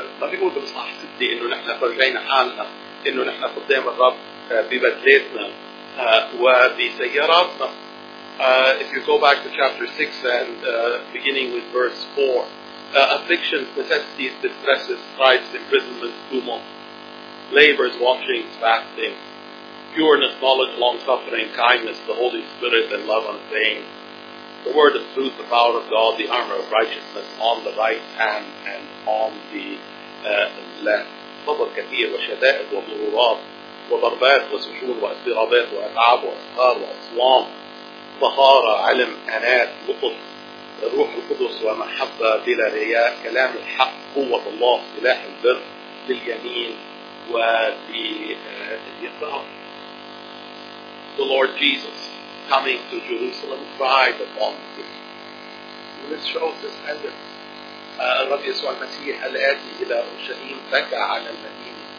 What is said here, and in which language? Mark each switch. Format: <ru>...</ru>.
<ar>بيقول بصح ستي انه نحن فرجينا حالنا انه نحن قدام الرب ببدلتنا وبسياراتنا.</ar> <en>If you go back to chapter 6 and beginning with verse 4, afflictions, necessities, distresses, stripes, imprisonment, tumult, labors, washings, fasting, pureness, knowledge, long-suffering, kindness, the Holy Spirit, and love unfeigned, the word of truth, the power of God, the armor of righteousness, on the right hand and on the left.</en> <ar>صبر كثير وشدائد وضرورات وضربات وسجون واضطرابات وأتعاب وأسهار وأصوام طهارة علم أنات لطف الروح القدس ومحبة بلا رياء كلام الحق قوة الله سلاح البر لليمين واليسار.</ar> <en>The Lord Jesus coming to Jerusalem cried upon the city. This shows this ending.</en> <ar>الرب يسوع المسيح الآتي إلى أورشليم بكى على المدينة.</ar>